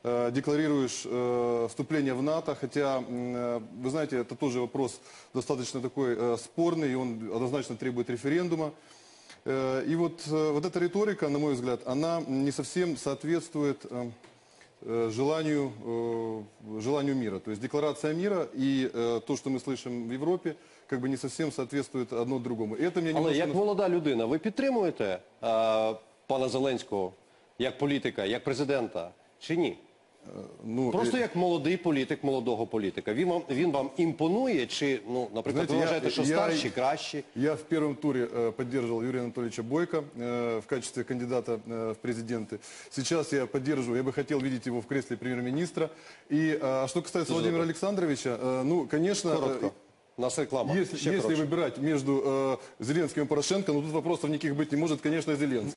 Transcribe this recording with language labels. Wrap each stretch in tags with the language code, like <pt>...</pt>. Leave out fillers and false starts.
<ru>декларируешь вступление в НАТО, хотя, вы знаете, это тоже вопрос достаточно такой спорный, и он однозначно требует референдума. И вот, вот эта риторика, на мой взгляд, она не совсем соответствует желанию мира. То есть декларация мира и то, что мы слышим в Европе, как бы не совсем соответствует одно другому. Это меня немножко...</ru> <uk>Але, як молода людина, ви підтримуєте пана Зеленського, як політика, як президента, чи ні? Просто як молодий політик, молодого політика. Він вам імпонує, чи, ну, наприклад,</uk> <ru>знаете,</ru> <uk>ви вважаєте, що старші, кращі? Я в першому турі підтримував Юрія Анатолійовича Бойка в качестві кандидата в президенти. Зараз я підтримую, я би хотів бачити його в кріслі прем'єр-міністра. І, а що стосується Володимира Олександровича, ну, звісно... Наша реклама.</uk> <ru>Если выбирать между Зеленским и Порошенко, ну тут вопросов никаких быть не может, конечно, Зеленский.</ru>